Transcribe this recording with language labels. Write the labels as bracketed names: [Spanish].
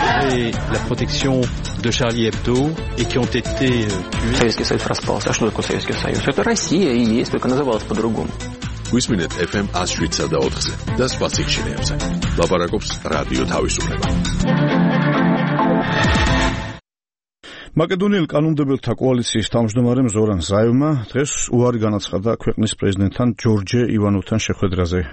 [French] La protection de Charlie Hebdo et qui ont été tués. [Russian] Советский Союз распался. А что такое Советский Союз? Это Россия и есть, только называлась по-другому. [Georgian] Гусминет FM 107.4-ზე და სხვა სიხშირეებზე. ლაპარაკობს რადიო თავისუფლება. მაკედონიელ კანონმდებელთა კოალიციის თავმჯდომარემ ზორან ზაევმა დღეს უარი განაცხადა ქვეყნის პრეზიდენტთან ჯორჯე ივანოვთან შეხვედრაზე.